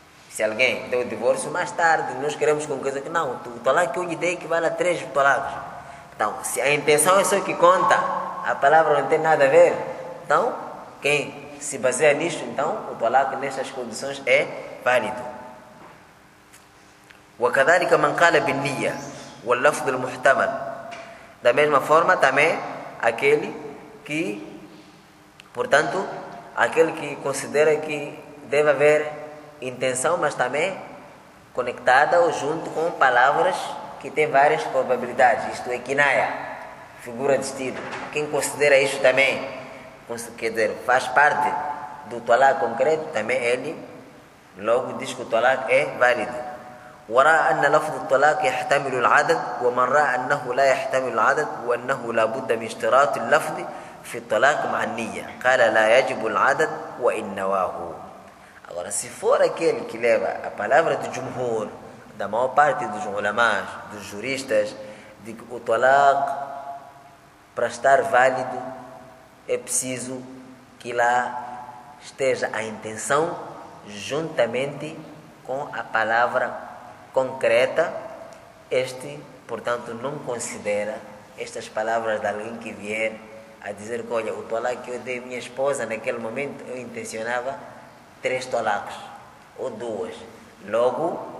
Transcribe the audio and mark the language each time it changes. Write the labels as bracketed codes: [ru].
[pt] Se alguém deu o divórcio mais tarde, nós queremos com coisa que não, o talaq que eu lhe dei equivale a três talaqs. Então, se a intenção é só que conta, a palavra não tem nada a ver, então, quem se baseia nisto, então, o talaq nestas condições é válido. [ar] وكذلك من قال بالنية واللفظ المحتمل. [pt] Da mesma forma, também, aquele que, portanto, aquele que considera que deve haver intenção, mas também conectada ou junto com palavras que têm várias probabilidades. Isto é kinaya, figura de estilo. Quem considera isto também, quer dizer, faz parte do talaq concreto, também ele logo diz que o talaq é válido. [ar] وراء أن لفظ الطلاق يحتمل العدد ومن رأى أنه لا يحتمل العدد وأنه لا بد من اشتراط اللفظ في الطلاق مع النية قال لا يجب العدد وإن نواه. [pt] Agora, se for aquele que leva a palavra do jumhur, da maior parte dos ulamás, dos juristas, de que o talaq, para estar válido, é preciso que lá esteja a intenção juntamente com a palavra concreta, este, portanto, não considera estas palavras de alguém que vier a dizer que, olha, o talaq que eu dei à minha esposa naquele momento, eu intencionava três talaqs, ou duas. Logo,